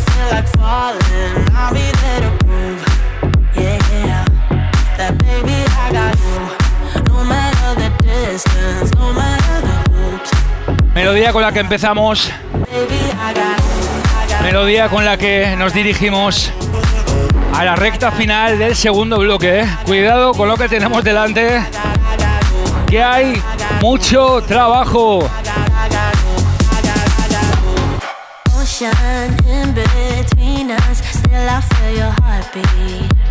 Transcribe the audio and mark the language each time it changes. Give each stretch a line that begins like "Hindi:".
English: Like falling, I'll be there to prove, yeah, that baby I got you, no matter the distance, no matter the hoops.
Spanish: Melodía con la que empezamos,
English: baby, I got
Spanish: melodía con la que nos dirigimos a la recta final del segundo bloque. Cuidado con lo que tenemos delante, que hay mucho trabajo.
English: In between us, still I feel your heartbeat.